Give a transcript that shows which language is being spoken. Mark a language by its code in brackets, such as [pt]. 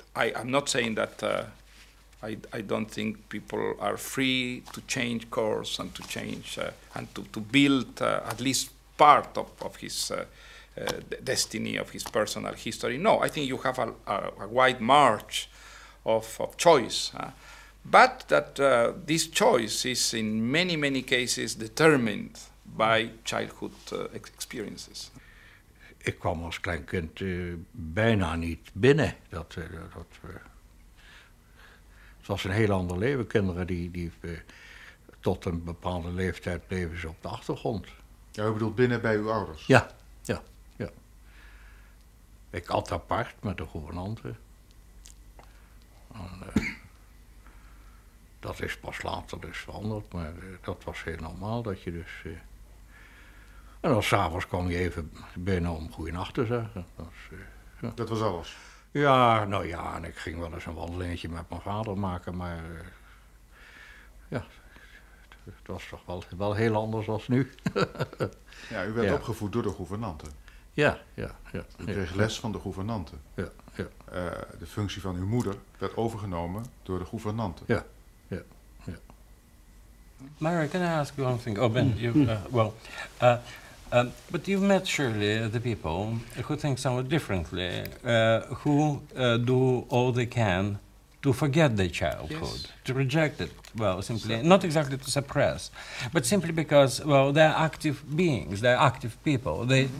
[en] I'm not saying that I don't think people are free to change course and to change and to build at least part of his destiny, of his personal history. No, I think you have a wide march of choice, but that this choice is in many, many cases determined by childhood experiences. [nl] Ik kwam als klein kind bijna niet binnen. Het was een heel ander leven. Kinderen die tot een bepaalde leeftijd bleven ze op de achtergrond. Ja, u bedoelt binnen bij uw ouders? Ja, ja, ja. Ik at apart met de gouvernante. Dat is pas later dus veranderd, maar dat was heel normaal dat je dus... En dan s'avonds kwam je even binnen om goeienacht te zeggen. Dat was alles? Ja, nou ja, en ik ging wel eens een wandelingetje met mijn vader maken, maar... ja, het was toch wel heel anders als nu. Ja, u werd opgevoed door de gouvernante. Ja, ja, ja. U kreeg les van de gouvernante. Ja. Ja. De functie van uw moeder werd overgenomen door de gouvernante. Ja, ja, ja. [en] Mary, can I ask you one thing? Oh, Ben, but you've met surely the people who think somewhat differently, who do all they can to to forget the childhood, yes. to reject it, well, simply, so, not exactly to suppress, but simply because, well, they're active beings, they're active people, their mm-hmm.